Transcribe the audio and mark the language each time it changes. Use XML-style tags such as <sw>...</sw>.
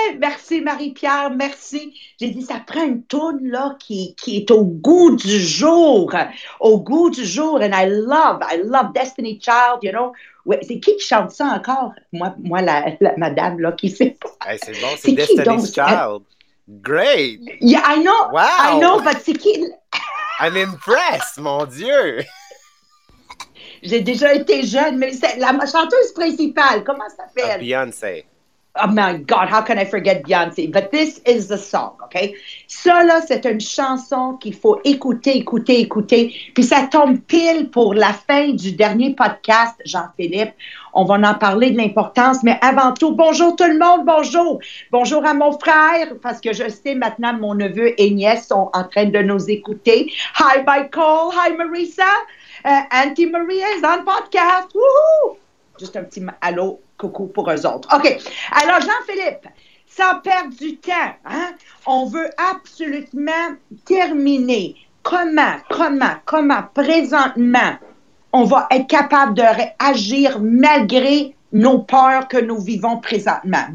<fr>Merci Marie-Pierre, merci. J'ai dit, ça prend une toune là qui est au goût du jour. Au goût du jour.</fr> <en>And I love Destiny Child, you know.</en> <fr>Ouais, c'est qui chante ça encore? Moi, la madame là qui sait pas. Hey, c'est bon, c'est C'est qui</fr> <en>Destiny's</en> <fr>donc?</fr> <en>Child. Great! I know, Wow!</en> <fr>but c'est qui?</fr> <en>I'm impressed,</en> <fr>mon Dieu! J'ai déjà été jeune, mais c'est la chanteuse principale, comment ça s'appelle? Beyoncé.</fr> <en>Oh my God, how can I forget Beyoncé? But this is the song, OK?</en> <fr>Ça, là, c'est une chanson qu'il faut écouter, écouter, écouter. Puis ça tombe pile pour la fin du dernier podcast, Jean-Philippe. On va en parler de l'importance, mais avant tout, bonjour tout le monde, bonjour. Bonjour à mon frère, parce que je sais maintenant mon neveu et nièce sont en train de nous écouter.</fr> <en>Hi, Michael. Hi, Marissa. Auntie Maria is on podcast.</en> <fr>Woohoo! Juste un petit allô. Coucou pour eux autres. OK. Alors, Jean-Philippe, sans perdre du temps, hein, on veut absolument terminer. Comment, présentement, on va être capable de réagir malgré nos peurs que nous vivons présentement?</fr>